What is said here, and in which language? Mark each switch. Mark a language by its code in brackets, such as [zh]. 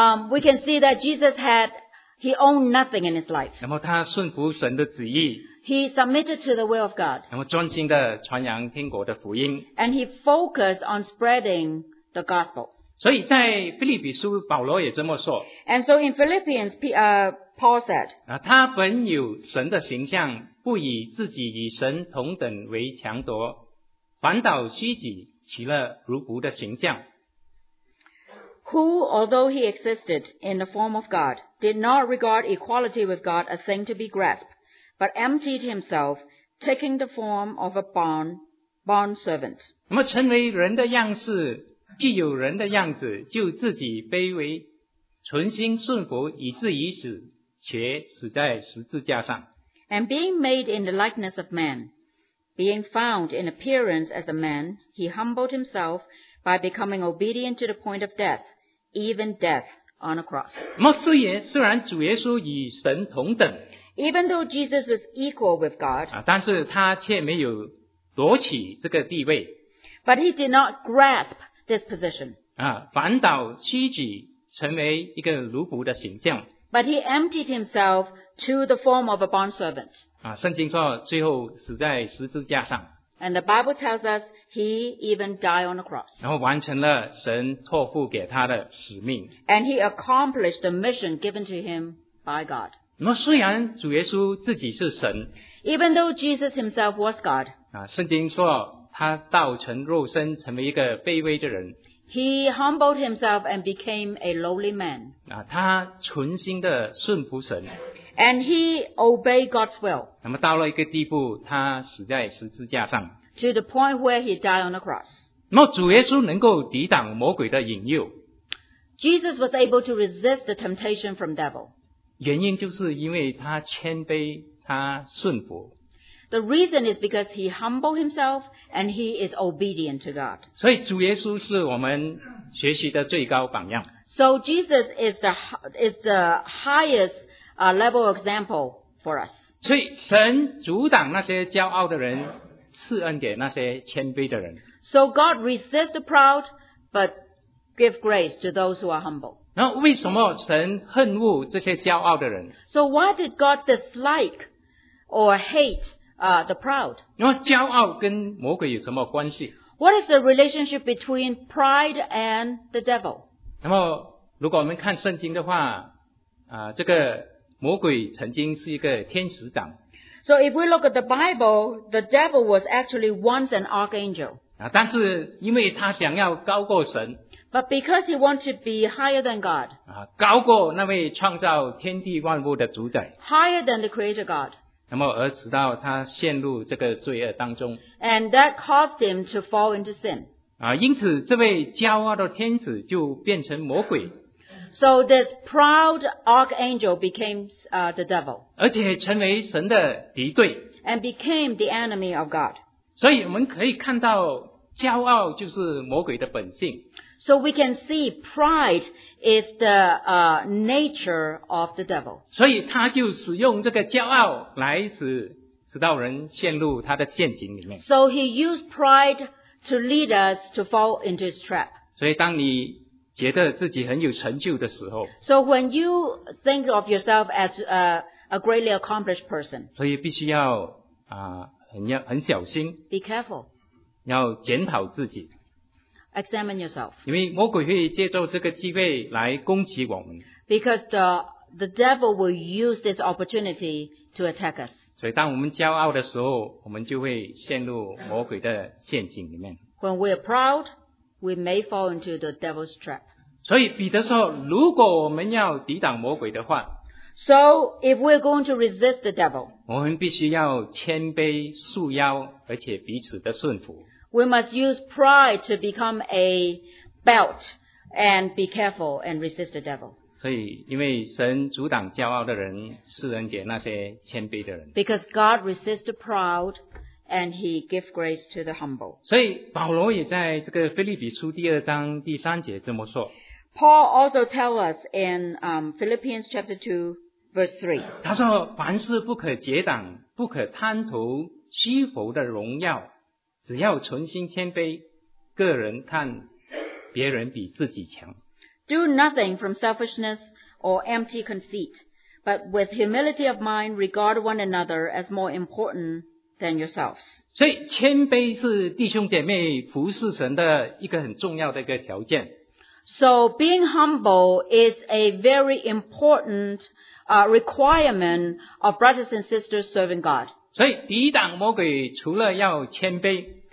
[en] We can see that Jesus had, he owned nothing in his life. [zh] 然后他顺服神的旨意。 [en] He submitted to the will of God. [zh] 然后专心地传扬天国的福音。 [en] And he focused on spreading the gospel. [zh] 所以在腓立比书保罗也这么说。 [en] And so in Philippians, Paul said, [zh] 他本有神的形象，不以自己与神同等为强夺，反倒虚己，取了如仆的形象。 [en] Who, although he existed in the form of God, did not regard equality with God a thing to be grasped, but emptied himself, taking the form of a bond servant. [zh] 那么成为人的样式，既有人的样子，就自己卑微，存心顺服，以至于死，且死在十字架上。 [en] And being made in the likeness of man,Being found in appearance as a man, he humbled himself by becoming obedient to the point of death, even death on a cross. [zh] 虽然主耶稣与神同等， [en] even though Jesus was equal with God, [zh] 但是他却没有夺取这个地位， [en] but he did not grasp this position. [zh] 反倒屈己，成为一个奴仆的形象。 [en] But he emptied himself to the form of a bondservant. [zh] 圣经说最后死在十字架上。 [en] And the Bible tells us he even died on the cross. [zh] 然后完成了神托付给他的使命。 [en] And he accomplished the mission given to him by God. [zh] 那么虽然主耶稣自己是神， [en] even though Jesus himself was God, [zh] 圣经说他道成肉身，成为一个卑微的人。 [en] He humbled himself and became a lowly man. [zh] 他存心的顺服神。 [en] And he obeyed God's will. [zh] 那么到了一个地步，他死在十字架上。 [en] To the point where he died on the cross. [zh] 那么主耶稣能够抵挡魔鬼的引诱。 [en] Jesus was able to resist the temptation from devil. [zh] 原因就是因为他谦卑，他顺服。 [en] The reason is because he humbled himself and he is obedient to God. [zh] 所以主耶稣是我们学习的最高榜样。 [en] So Jesus is the highest level example for us. [zh] 所以神阻挡那些骄傲的人，赐恩给那些谦卑的人。 [en] So God resists the proud but give grace to those who are humble. [zh] 那为什么神恨恶这些骄傲的人？ [en] So why did God dislike or hate the proud. [zh] 那么骄傲跟魔鬼有什么关系？ [en] What is the relationship between pride and the devil? [zh] 那么如果我们看圣经的话，这个魔鬼曾经是一个天使长。 [en] So if we look at the Bible, the devil was actually once an archangel. [zh] 但是因为他想要高过神， [en] But because he wants to be higher than God, [zh] 高过那位创造天地万物的主宰， [en] Higher than the creator God. [zh] 那么而直到他陷入这个罪恶当中。 [en] And that caused him to fall into sin. [zh] 因此这位骄傲的天使就变成魔鬼。 [en] So this proud archangel became the devil. [zh] 而且成为神的敌对。 [en] And became the enemy of God. [zh] 所以我们可以看到骄傲就是魔鬼的本性。 [en] So we can see pride is the nature of the devil. [zh] 所以他就使用这个骄傲来使到人陷入他的陷阱里面。 [en] So he used pride to lead us to fall into his trap. [zh] 所以当你觉得自己很有成就的时候。 [en] So when you think of yourself as a greatly accomplished person. [zh] 所以必须要很小心。 [en] Be careful. [zh] 要检讨自己 [en] ，examine yourself， [zh] 因为魔鬼会借助这个机会来攻击我们。 [en] Because the devil will use this opportunity to attack us。 [zh] 所以，当我们骄傲的时候，我们就会陷入魔鬼的陷阱里面。 [en] When we are proud, we may fall into the devil's trap。 [zh] 所以，彼得说，如果我们要抵挡魔鬼的话 [en] ，So if we're going to resist the devil。 [zh] 我们必须要谦卑束腰，而且彼此的顺服。 [en] We must use pride to become a belt and be careful and resist the devil. [zh] 所以，因为神阻挡骄傲的人，赐恩给那些谦卑的人。 [en] Because God resists the proud and He gives grace to the humble. [zh] 所以，保罗也在这个腓立比书第二章第三节这么说。 [en] Paul also tells us in Philippians chapter 2, verse 3. [zh] 他说凡事不可结党不可贪图虚浮的荣耀只要存心谦卑个人看别人比自己强。 [en] Do nothing from selfishness or empty conceit, but with humility of mind regard one another as more important than yourselves. [zh] 所以谦卑是弟兄姐妹服侍神的一个很重要的一个条件。 [en] So being humble is a very importantrequirement of brothers and sisters serving God. [zh] 所以抵挡魔鬼除了要谦卑。